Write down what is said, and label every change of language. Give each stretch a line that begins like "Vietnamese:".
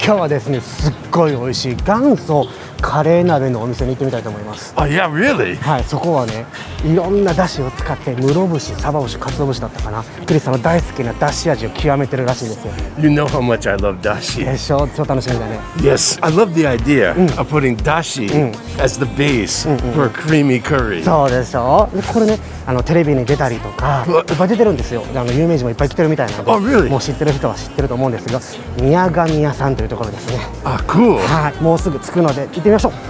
Japanese: 今日はですね、すっごい美味しい元祖カレー鍋のお店に行ってみたいと思います。
English: あ、yeah, really?
Japanese: はい、そこはね、いろんな出汁を使って、室伏、鯖節、鰹節だったかな、クリスさんの大好きな出汁味を極めてるらしいですよ。
English: You know how much I love 出汁
Japanese: でしょ、超楽しみだね。
English: Yes, I love the idea of putting 出汁 as the base for a creamy curry。
Japanese: そうでしょ。でこれね、あのテレビに出たりとか、いっぱい出てるんですよ。あの有名人もいっぱい来てるみたいなので、
English: oh, really?
Japanese: もう知ってる人は知ってると思うんですが、宮がみ屋さんというところですね。
English: あ、ah, cool.
Japanese: はい、もうすぐ着くので行ってみましょう。